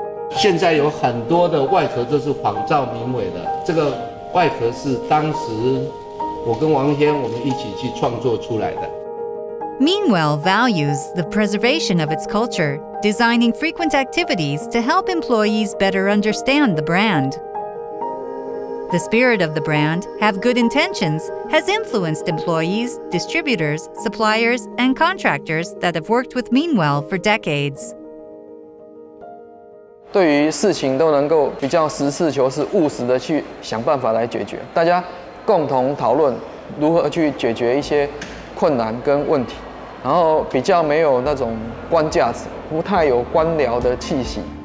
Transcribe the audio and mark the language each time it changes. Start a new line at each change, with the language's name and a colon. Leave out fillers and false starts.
Chinese: 现在有很多的外壳都是仿照明伟的，这个外壳是当时我跟王先我们一起去创作出来的。
English: Meanwhile, values the preservation of its culture, designing frequent activities to help employees better understand the brand. The spirit of the brand, have good intentions, has influenced employees, distributors, suppliers, and contractors that have worked with Meanwhile for decades.
Chinese: 对于事情都能够比较实事求是、务实的去想办法来解决，大家共同讨论如何去解决一些困难跟问题。然后比较没有那种官架子，不太有官僚的气息。